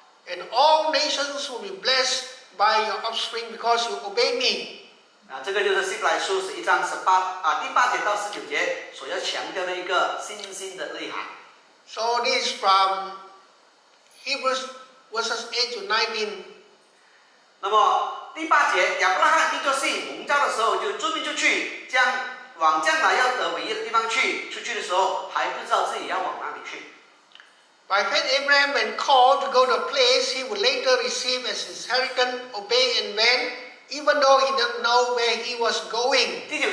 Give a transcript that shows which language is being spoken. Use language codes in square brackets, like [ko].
[en] And all nations will be blessed by your offspring because you obey me. [zh] 这个就是希伯来书第八节到十九节所要强调的一个信心的内涵。 [en] So this is from Hebrews verses 8 to 19. [zh] 那么第八节亚伯拉罕因着信蒙召的时候就遵命就去，将往将来要得为业的地方去。出去的时候还不知道自己要往哪里去。 [en] By faith Abraham, when called to go to a place he would later receive as his inheritance, obey and went, even though he didn't know where he was going.